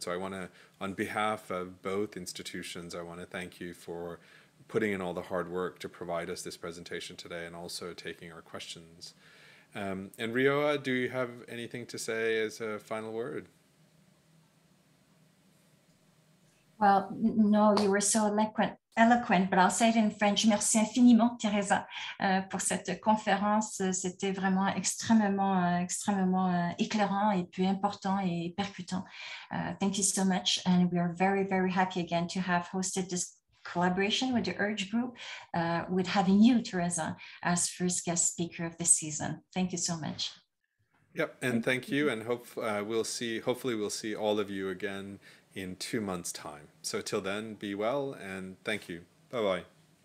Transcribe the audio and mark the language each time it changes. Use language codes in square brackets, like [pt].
[en] So I want to, on behalf of both institutions, I want to thank you for putting in all the hard work to provide us this presentation today and also taking our questions. And Rioa, do you have anything to say as a final word? Well, no, you were so eloquent, but I'll say it in French. [fr] Merci infiniment, Teresa, pour cette conférence. C'était vraiment extrêmement éclairant et puis important et percutant. [en] Thank you so much. And we are very, very happy again to have hosted this collaboration with the IRG group, with having you, Teresa, as first guest speaker of this season. Thank you so much. Yep, and thank you. And hopefully we'll see all of you again in 2 months' time. So till then, be well, and thank you. Bye-bye.